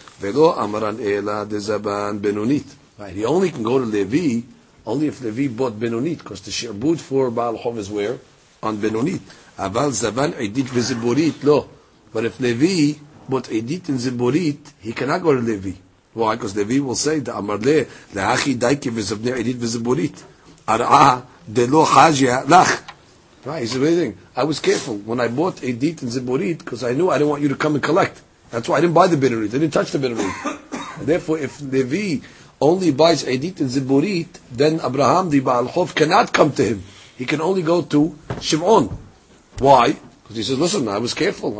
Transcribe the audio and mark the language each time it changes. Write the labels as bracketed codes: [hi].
[arc] ולא אמרן אלא דזבן בנונית. [en] Right, he only can go to Levi, only if Levi bought בנונית, because the שעבוד for Baal Hov is where? On בנונית. [arc] אבל זבן עדית וזיבורית, לא. [en] But if Levi bought עדית and זיבורית, he cannot go to Levi. Why? Because Levi will say, [arc] דאמר לה, להכי דייקי וזבני עדית וזיבורית. אראה דלא חג'יה לך. [en] Right, he's amazing. I was careful when I bought עדית and זיבורית, because I knew I didn't want you to come and collect. That's why I didn't buy the Benunit. I didn't touch the Benunit. Therefore, if Levi only buys Edit and Ziburit, then Abraham, the Baal Hov, cannot come to him. He can only go to Shimon. Why? Because he says, listen, I was careful.